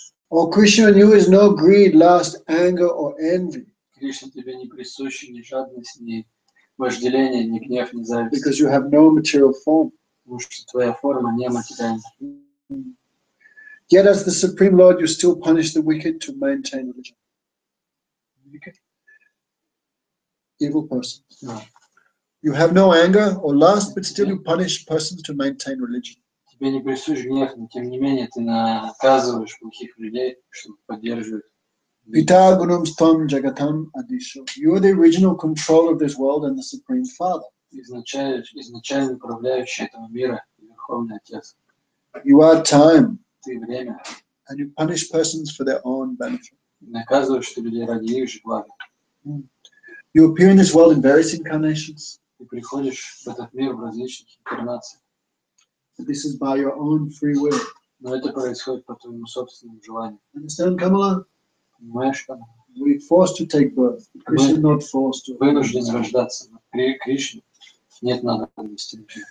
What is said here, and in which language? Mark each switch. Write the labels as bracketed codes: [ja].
[en] О Кришна, in you is no greed, lust, anger or envy. [ru] Кришна, тебе не присущи ни жадность, ни вожделение, ни гнев, ни зависть. [en] Because you have no material form. [ru] Потому что твоя форма не материальна. [en] Yet as the Supreme Lord, you still punish the wicked to maintain religion. Okay. Evil person. No. You have no anger or lust, but still you punish persons to maintain religion. [ru] Тебе не присущ гнев, но тем не менее ты наказываешь плохих людей, чтобы поддерживать. [sa] Vitagunam stam jagatam adisho. [en] You are the original control of this world and the Supreme Father. [ru] Изначально управляющий этого мира, Верховный Отец. [en] You are time. [ru] Ты время. [en] And you punish persons for their own benefit. [ru] Наказываешь ты людей ради их же блага. [en] You appear in this world in various incarnations. [ru] Ты приходишь в этот мир в различных инкарнациях. [en] This is by your own free will. [ru] Но это происходит по твоему собственному желанию. [en] Understand, Kamala? We forced to take birth. Krishna is not forced to. [ru] Вынуждены рождаться. Кришна нет надобности.